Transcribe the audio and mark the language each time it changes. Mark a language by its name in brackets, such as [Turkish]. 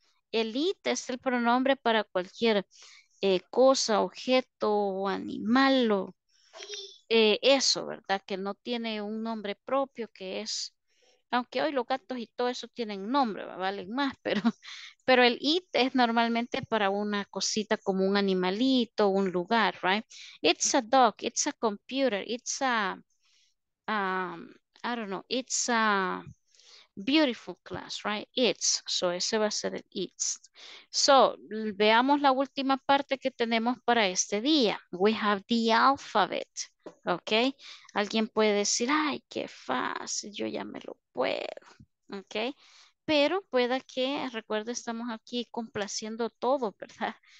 [Spanish] El it es el pronombre para cualquier cosa, objeto, animal o eso, ¿verdad? Que no tiene un nombre propio, que es, aunque hoy los gatos y todo eso tienen nombre, valen más, pero el it es normalmente para una cosita como un animalito, un lugar, [English] right? It's a dog, it's a computer, it's a I don't know, it's a beautiful class, right? [Spanish] It's, so ese va a ser el it's. So, veamos la última parte que tenemos para este día. [English] We have the alphabet, [Spanish] ¿ok? Alguien puede decir, ay, qué fácil, yo ya me lo puedo, ¿ok? Pero pueda que, recuerde, estamos aquí complaciendo todo, ¿verdad?